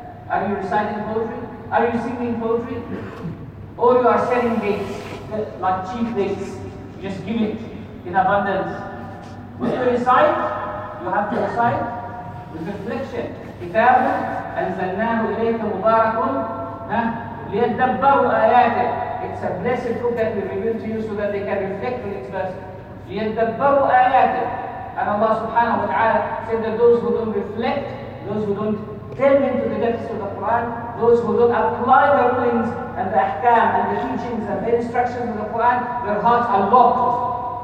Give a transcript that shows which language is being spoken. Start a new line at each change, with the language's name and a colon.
English: Are you reciting poetry? Are you singing poetry? Or you are selling dates, like cheap dates? Just give it in abundance. When you recite, you have to recite with reflection.
Arabic: كتاب أنزلناه إليك مبارك ليدبروا آياته.
English: It's a blessed book that we reveal to you so that they can reflect on its verses.
Arabic: ليدبروا آياته.
English: And Allah subhanahu wa ta'ala said that those who don't reflect, those who don't delve into the depths of the Quran, those who don't apply the rulings and the ahkam and the teachings and the instructions of the Quran, their hearts are locked.